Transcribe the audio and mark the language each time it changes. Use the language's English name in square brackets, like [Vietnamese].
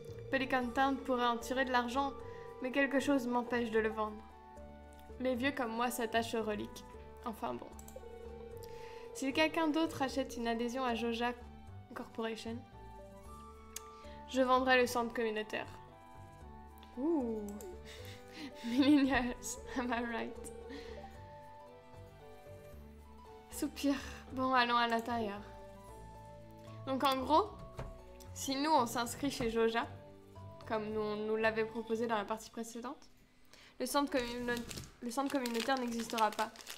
[French] Pelican Town pourrait en tirer de l'argent, mais quelque chose m'empêche de le vendre. Les vieux comme moi s'attachent aux reliques. Enfin bon. Si quelqu'un d'autre achète une adhésion à Joja Corporation, je vendrai le centre communautaire. [English] Ouh, millennials, am I right? [French] Soupir. Bon, allons à l'intérieur. Donc en gros, si nous on s'inscrit chez Joja, comme nous on nous l'avait proposé dans la partie précédente, le centre communautaire n'existera pas.